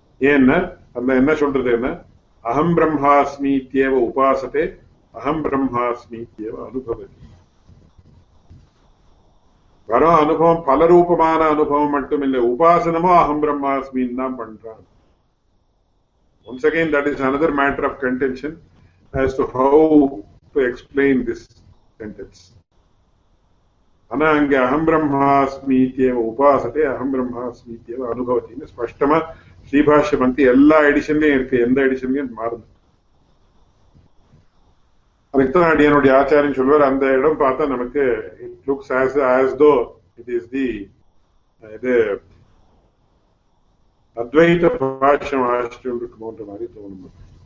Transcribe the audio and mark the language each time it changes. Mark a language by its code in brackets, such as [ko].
[ta] ஏன்னா அந்த என்ன சொல்றதுன்னா, அகம் பிரம்மாஸ்மி தேவ உபாசத்தை அகம் பிரம்மாஸ்மி தேவ அனுபவதி வர அனுபவம் பல ரூபமான அனுபவம் மட்டும் இல்லை, உபாசனமும் அகம் பிரம்மாஸ்மின்னு தான் பண்றான். [en] Once again, that is another matter of contention as to how to explain this sentence. [ta] ஆனா அங்க அஹம் பிரம்மாஸ்மித்தியவ உபாசத்தை அஹம் பிரம்மாஸ்மித்தியவ அனுபவத்தின்னு ஸ்பஷ்டமா ஸ்ரீபாஷ்யம் வந்து எல்லா எடிஷன்லயும் இருக்கு, எந்த எடிஷன்லயும் மாறுது. ரிக்தநாடியனுடைய ஆச்சாரியன் சொல்வார், அந்த இடம் பார்த்தா நமக்கு [en] it looks as as though it is the [ta] இது அத்வைத பாஷ்யம் ஆச்சரியம் இருக்குமோன்ற மாதிரி தோணும்.